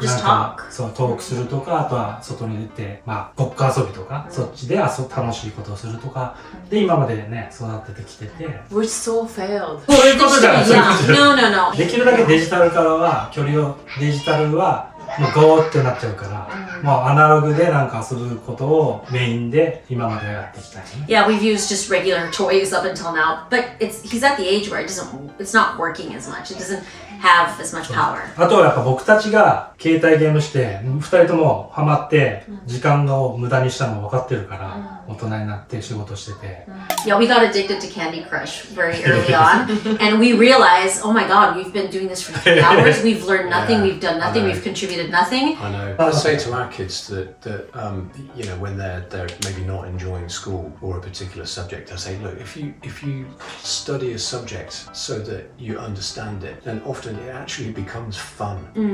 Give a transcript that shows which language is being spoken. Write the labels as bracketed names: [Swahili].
[Japanese] か、そうトークするとか、あとは外に出て、まあ、ごっこ遊びとか、うん、そっちで楽しいことをするとかで、今までね育ててきてて、 [English] うん、We still failed、 [Japanese] そういうことじゃん、そういうことじゃん、 [English] No, no, no. [Japanese] できるだけデジタルからは距離を、デジタルはもうゴーってなっちゃうから、もうアナログでなんか遊ぶことをメインで今までやってきたね。 [English] Yeah, we've used just regular toys up until now, but it's, he's at the age where it doesn't, it's not working as much. It doesn't have as much power. [Japanese] あとはやっぱ僕たちが携帯ゲームして、二人ともハマって時間を無駄にしたの分かってるから、大人になって仕事してて。 [English] Yeah, we got addicted to Candy Crush very early on. And we realized, oh my god, we've been doing this for 3 hours. We've learned nothing, we've done nothing, we've contributed nothing. I know. I say to our kids that you know, when they're maybe not enjoying school or a particular subject, I say, look, if you study a subject so that you understand it, then often it actually becomes fun、mm-hmm.